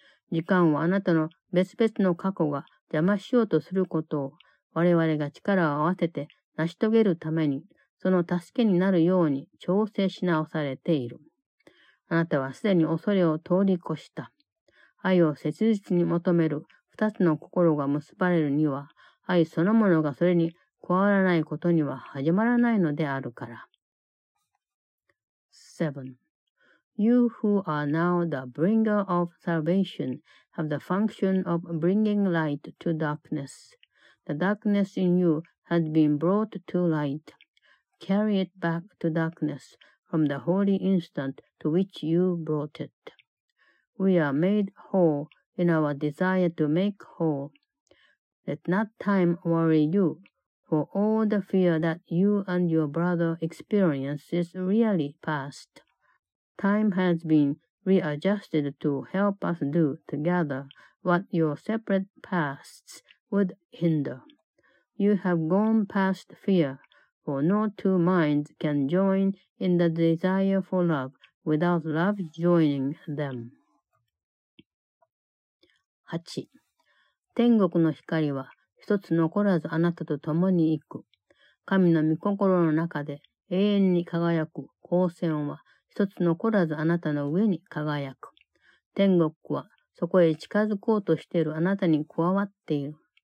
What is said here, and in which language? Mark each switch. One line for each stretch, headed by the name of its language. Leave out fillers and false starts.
Japanese: 時間をあなたの別々の過去が邪魔しようとすることを、我々が力を合わせて成し遂げるために、その助けになるように調整し直されている。あなたはすでに恐れを通り越した。愛を切実に求める二つの心が結ばれるには、愛そのものがそれに加わらないことには始まらないのであるから。 7.
English: You who are now the bringer of salvation have the function of bringing light to darkness. The darkness in you has been brought to light. Carry it back to darkness from the holy instant to which you brought it. We are made whole in our desire to make whole. Let not time worry you, for all the fear that you and your brother experience is really past. Time has been readjusted to help us do together what your separate pasts would hinder. You have gone past fear, for no two minds can join in the desire for love without love joining them.
Japanese: 天国の光は一つ残らずあなたと共に行く。神の御心の中で永遠に輝く光線は一つ残らずあなたの上に輝く。天国はそこへ近づこうとしているあなたに加わっている。